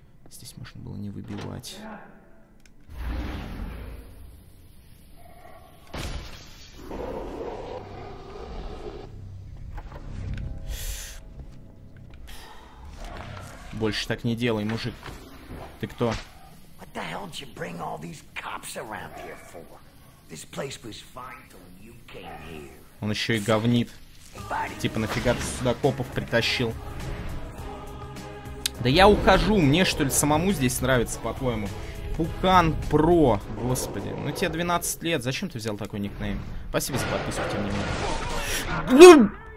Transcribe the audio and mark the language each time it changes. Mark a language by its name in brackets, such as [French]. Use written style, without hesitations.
[Russian] Здесь можно было не выбивать. Больше так не делай, мужик. Ты кто? [English] What the hell did you bring all these cops around here for? This place was fine till you came here. [Russian] Он еще и говнит. Типа, нафига ты сюда копов притащил? Да я ухожу, мне что ли самому здесь нравится, по-твоему? Пукан Про, господи. Ну тебе 12 лет, зачем ты взял такой никнейм? Спасибо за подписку, тем не менее.